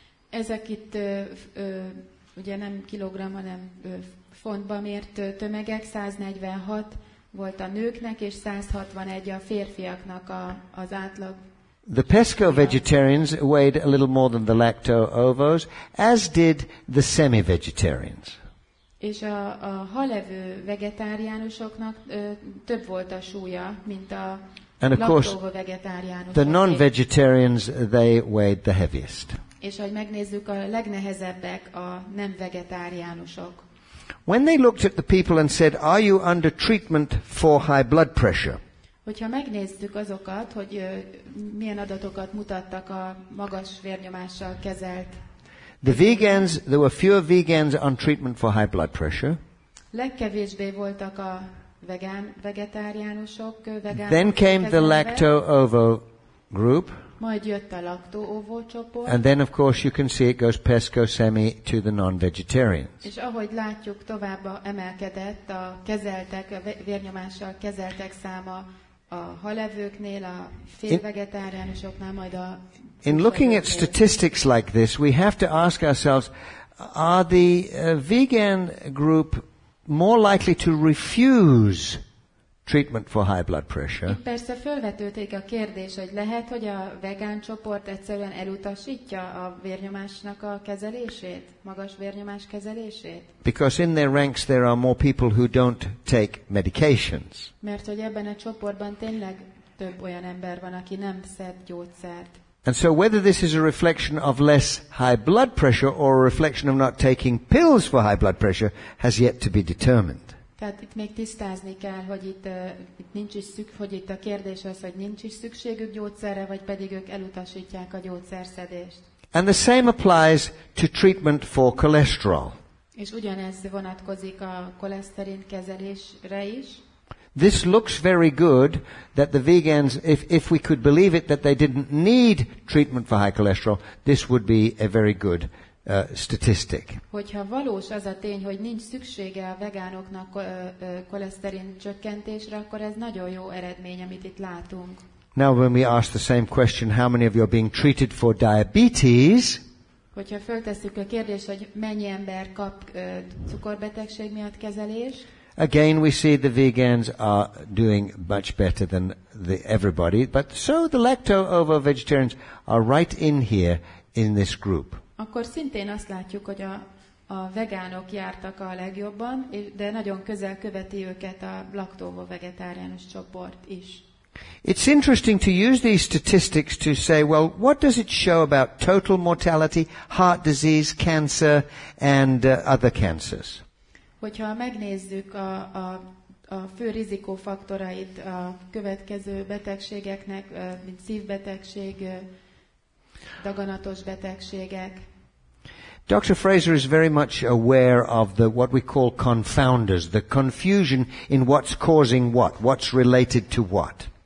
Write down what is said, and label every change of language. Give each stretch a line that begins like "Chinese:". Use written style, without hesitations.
Hungarian: Ezek itt ugye nem kilogramm, hanem fontba mért tömegek, 146 volt a nőknek, és 161 a férfiaknak az átlag.
English: The pesco vegetarians weighed a little more than the lacto-ovos, as did the semi-vegetarians.
Hungarian: És a halevő vegetáriánusoknak több volt a súlya, mint a lacto-ovo vegetáriánusoknak.
English: The non-vegetarians, they weighed the heaviest.
Hungarian: És ahogy megnézzük, a legnehezebbek a nem vegetáriánusok.
English: When they looked at the people and said, "Are you under treatment for high blood pressure?"
Hungarian: Hogyha megnéztük azokat, hogy milyen adatokat mutattak a magas vérnyomással kezelt.
English: The vegans, there were fewer vegans on treatment for high blood pressure.
Hungarian: Legkevésbé voltak a vegetáriánusok, vegánok.
English: Then came the lacto-ovo group.
Hungarian: Majd jött a lacto-ovo csoport.
English: And then of course you can see it goes pesco semi to the non-vegetarians.
Hungarian: És ahogy látjuk, tovább emelkedett a kezeltek, a vérnyomással kezeltek száma a halevőknél, a félvegetáriánusoknál, majd a...
English: In looking at statistics like this, we have to ask ourselves, are the vegan group more likely to refuse treatment for high blood pressure.
Hungarian: Itt persze felvetődik a kérdés, hogy lehet, hogy a vegán csoport egyszerűen elutasítja a vérnyomásnak a kezelését, magas vérnyomás kezelését.
English: Because in their ranks there are more people who don't take medications.
Hungarian: Mert hogy ebben a csoportban tényleg több olyan ember van, aki nem szed gyógyszert.
English: And so whether this is a reflection of less high blood pressure or a reflection of not taking pills for high blood pressure has yet to be determined.
Hungarian: Tehát itt még tisztázni kell, hogy itt nincs is szükség, hogy itt a kérdés az, hogy nincs is szükségük gyógyszerre, vagy pedig ők elutasítják a gyógyszerszedést.
English: And the same applies to treatment for cholesterol.
Hungarian: És ugyanez vonatkozik a koleszterin kezelésre is.
English: This looks very good that the vegans, if we could believe it, that they didn't need treatment for high cholesterol, this would be a very good statistic.
Hungarian: Hogyha valós az a tény, hogy nincs szüksége a vegánoknak koleszterin csökkentésre, akkor ez nagyon jó eredmény, amit itt látunk.
English: Now when we ask the same question, how many of you are being treated for diabetes?
Hungarian: Hogyha föltesszük a kérdést, hogy mennyi ember kap cukorbetegség miatt kezelést?
English: Again, we see the vegans are doing much better than everybody, but so the lacto-ovo vegetarians are right in here in this group.
Hungarian: Akkor szintén azt látjuk, hogy a vegánok jártak a legjobban, de nagyon közel követi őket a lacto-ovo vegetáriánus csoport is.
English: It's interesting to use these statistics to say, well, what does it show about total mortality, heart disease, cancer, and other cancers?
Hungarian: Hogyha megnézzük a fő rizikófaktorait a következő betegségeknek, mint szívbetegség, daganatos betegségek.
English: Dr. Fraser is very much aware of the what we call confounders, the confusion in what's causing what, what's related to what.